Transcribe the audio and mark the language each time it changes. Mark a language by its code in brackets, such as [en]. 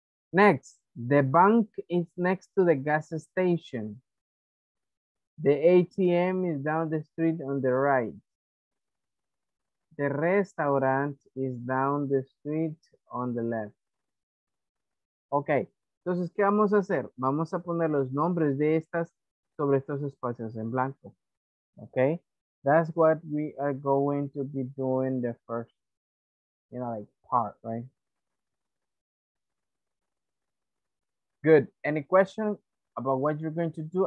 [en] Next, the bank is next to the gas station. The ATM is down the street on the right. The restaurant is down the street on the left. [es] Okay, entonces, ¿qué vamos a hacer? Vamos a poner los nombres de estas sobre estos espacios en blanco. [en] Okay, that's what we are going to be doing the first, you know, like part, right? Good, any question about what you're going to do?